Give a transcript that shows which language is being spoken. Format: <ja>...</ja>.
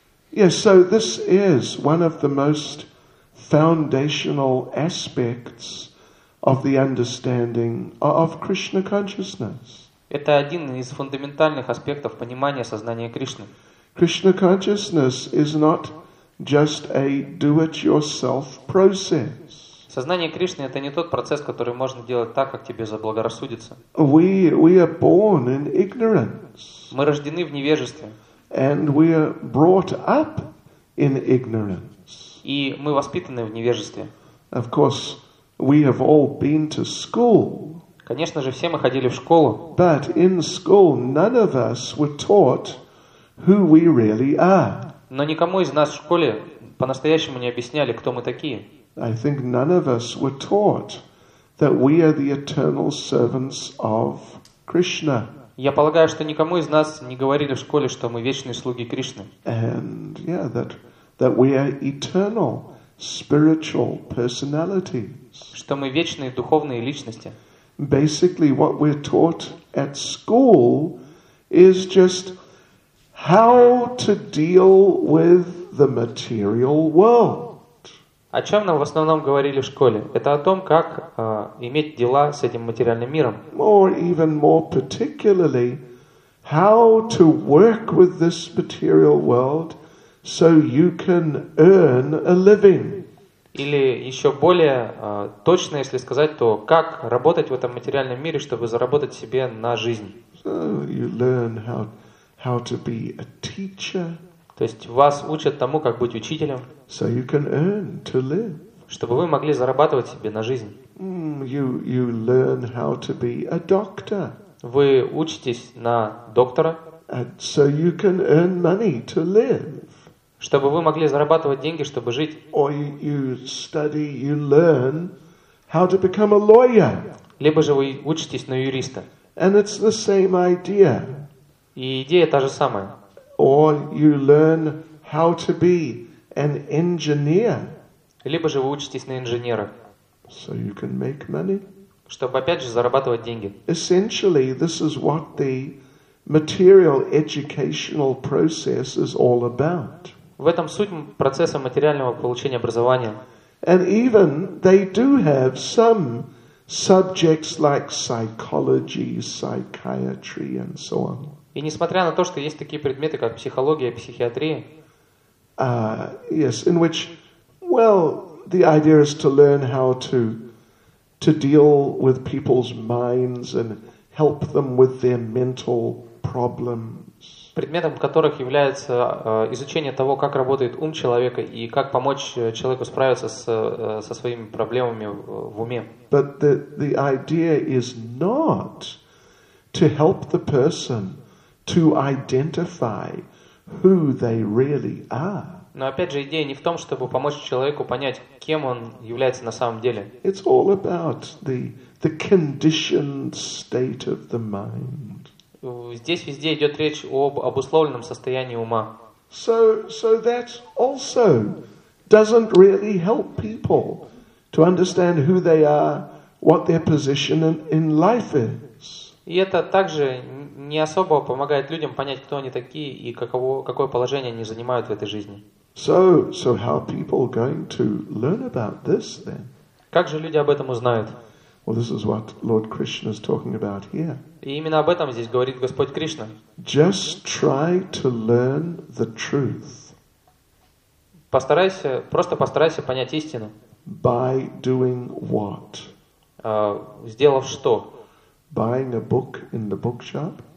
<en>Yes, so this is one of the most foundational aspects of the understanding of Krishna consciousness.</en> <ru>Это один из фундаментальных аспектов понимания сознания Кришны.</ru> <en>Krishna consciousness is not just a do-it-yourself process.</en> <ru>Сознание Кришны это не тот процесс, который можно делать так, как тебе заблагорассудится.</ru> <en>We are born in ignorance.</en> <ru>Мы рождены в невежестве.</ru> <en>And we are brought up in ignorance.</en> <ru>И мы воспитаны в невежестве.</ru> <en>Of course, we have all been to school.</en> <ru>Конечно же, все мы ходили в школу.</ru> <en>But in school, none of us were taught who we really are.</en> <ru>Но никому из нас в школе по-настоящему не объясняли, кто мы такие.</ru> <en>I think none of us were taught that we are the eternal servants of Krishna.</en> <ru>Я полагаю, что никому из нас не говорили в школе, что мы вечные слуги Кришны.</ru> <en>And yeah, that we are eternal spiritual personalities.</en> <ru>Что мы вечные духовные личности.</ru> <en>Basically, what we're taught at school is just how to deal with the material world.</en> <ru>О чем нам в основном говорили в школе? Это о том, как иметь дела с этим материальным миром.</ru> <en>Or even more particularly, how to work with this material world so you can earn a living.</en> <ru>Или еще более точно, если сказать, то как работать в этом материальном мире, чтобы заработать себе на жизнь.</ru> <en>So you learn how to be a teacher.</en> <ru>То есть вас учат тому, как быть учителем.</ru> <en>So you can earn to live.</en> <ru>Чтобы вы могли зарабатывать себе на жизнь.</ru> <en>You learn how to be a doctor.</en> <ru>Вы учитесь на доктора.</ru> <en>And so you can earn money to live.</en> <ru>Чтобы вы могли зарабатывать деньги, чтобы жить.</ru> <en>Or you study, you learn how to become a lawyer.</en> <ru>Либо же вы учитесь на юриста.</ru> <en>And it's the same idea.</en> <ru>И идея та же самая.</ru> <en>Or you learn how to be an engineer.</en> <ru>Либо же вы учитесь на инженера.</ru> <en>So you can make money.</en> <ru>Чтобы опять же зарабатывать деньги.</ru> <en>Essentially, this is what the material educational process is all about.</en> <ru>В этом суть процесса материального получения образования.</ru> <en>And even they do have some subjects like psychology, psychiatry, and so on.</en> <ru>И несмотря на то, что есть такие предметы, как психология, психиатрия,</ru> <en>yes, in which, well, the idea is to learn how to deal with people's minds and help them with their mental problems.</en> <ru>Предметом которых является изучение того, как работает ум человека и как помочь человеку справиться со своими проблемами в уме.</ru> <en>But the idea is not to help the person to identify who they really are.</en> <ru>Но опять же, идея не в том, чтобы помочь человеку понять, кем он является на самом деле.</ru> <en>It's all about the conditioned state of the mind.</en> <ru>Здесь везде идет речь об обусловленном состоянии ума.</ru> <en>So that also doesn't really help people to understand who they are, what their position in life is.</en> <ru>И это также не особо помогает людям понять, кто они такие и какое положение они занимают в этой жизни.</ru> <en>So how are people going to learn about this then?</en> <ru>Как же люди об этом узнают?</ru> <en>Well, this is what Lord Krishna is talking about here.</en> <ru>И именно об этом здесь говорит Господь Кришна.</ru> <en>Just try to learn the truth.</en> <ru>Просто постарайся понять истину.</ru> <en>By doing what?</en> <ru>Сделав что?</ru> <en>Buying a book in the bookshop.</en>